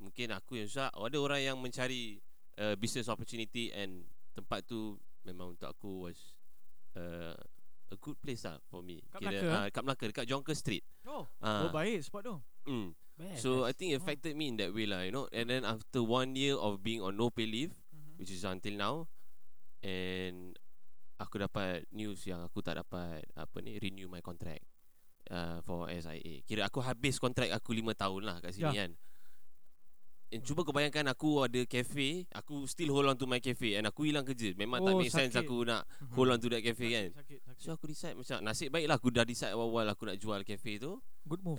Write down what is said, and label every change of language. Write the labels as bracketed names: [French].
[Malay] Mungkin aku yang susah, ada orang yang mencari business opportunity, and tempat tu memang untuk aku [English] was a good place [Malay] lah for me. Kat Melaka, dekat Jonker Street. Oh baik spot tu. Hmm. [English] So I think it affected me in that way lah, you know. And then after 1 year of being on no pay leave, which is until now, and [Malay] aku dapat news yang aku tak dapat apa ni, [English] renew my contract for SIA. [Malay] Kira aku habis contract aku 5 tahun lah kat sini kan. And cuba kau bayangkan, aku ada cafe, aku [English] still hold on to my cafe, [Malay] and aku hilang kerja. Memang tak make sense aku nak [English] hold on to that cafe [Malay] kan. Sakit. So aku decide macam, nasib baik lah aku dah decide awal-awal aku nak jual cafe tu. [English] Good move.